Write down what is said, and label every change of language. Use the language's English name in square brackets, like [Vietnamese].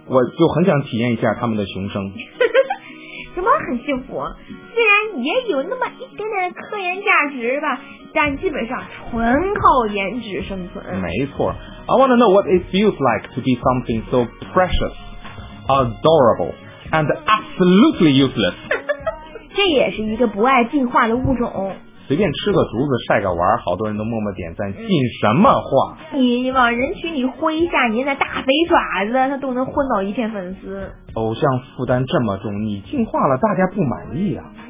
[Chinese] 我就很想体验一下他们的雄声。什么很幸福？虽然也有那么一点点科研价值吧，但基本上纯靠颜值生存。没错。 [English] I want to know what it feels like to be something so precious, adorable, and absolutely useless. [Chinese] 这也是一个不爱进化的物种。随便吃个竹子晒个玩，好多人都默默点赞，进什么化？你往人群里挥一下你那大肥爪子，他都能混到一片粉丝。偶像负担这么重，你进化了大家不满意啊。